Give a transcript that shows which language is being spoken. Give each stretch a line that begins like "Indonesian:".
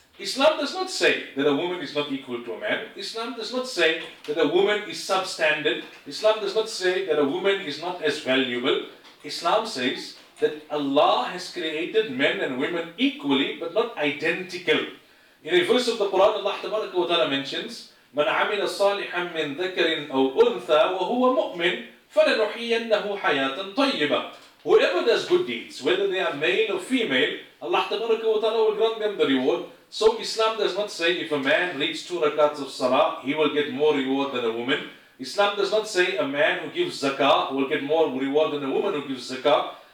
English: Islam does not say that a woman is not equal to a man. Islam does not say that a woman is substandard. Islam does not say that a woman is not as valuable. Islam says that Allah has created men and women equally, but not identical. In a verse of the Quran, Allah Tabaraka wa Ta'ala mentions,
Arabic: مَنْ عَمِلَ صَالِحًا مِنْ ذَكَرٍ أَوْ أُنْثَى وَهُوَ مُؤْمِنٍ فَلَنُحِيَنَّهُ حَيَاةً طَيِّبًا.
English: Whoever does good deeds, whether they are male or female, Allah Tabaraka wa Ta'ala will grant them the reward. So Islam does not say if a man reads 2 rakats of salah, he will get more reward than a woman. Islam does not say a man who gives zakah will get more reward than a woman who gives zakah.